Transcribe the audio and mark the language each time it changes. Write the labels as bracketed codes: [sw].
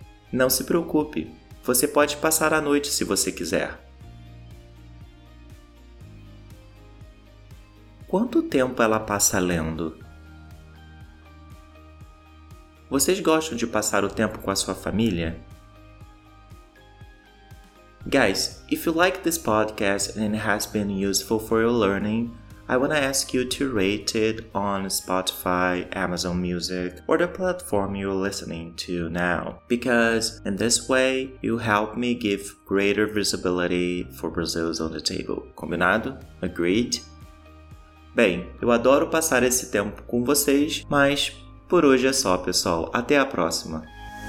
[pt] Não se preocupe, você pode passar a noite se você quiser. Quanto tempo ela passa lendo? Vocês gostam de passar o tempo com a sua família? [en] Guys, if you like this podcast and it has been useful for your learning, I want to ask you to rate it on Spotify, Amazon Music, or the platform you're listening to now. Because in this way, you help me give greater visibility for Brazil's on the Table. [pt] Combinado? [en] Agreed? [pt] Bem, eu adoro passar esse tempo com vocês, mas por hoje é só, pessoal. Até a próxima!